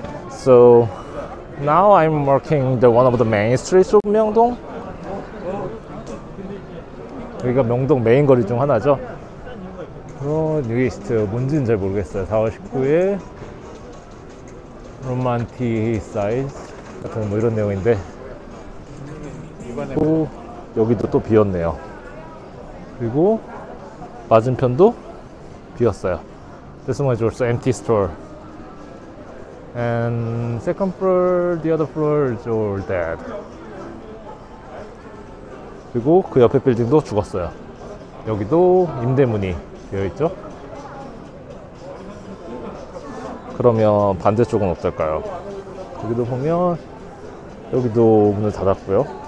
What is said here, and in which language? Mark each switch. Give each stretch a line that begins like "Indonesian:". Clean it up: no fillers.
English: So now I'm working the one of the main streets of Myeongdong.
Korean: 여기가 명동 메인 거리 중 하나죠. 뉴이스트 뭔지는 잘 모르겠어요. 4월 19일 로만티 사이즈 같은 뭐 이런 내용인데 또 여기도 또 비었네요. 그리고 맞은편도 비었어요.
English: This one is also empty store. And second floor, the other floor is all dead.
Korean: 그리고 그 옆에 빌딩도 죽었어요. 여기도 임대문이 되어 있죠. 그러면 반대쪽은 어떨까요? 여기도 보면 여기도 문을 닫았고요.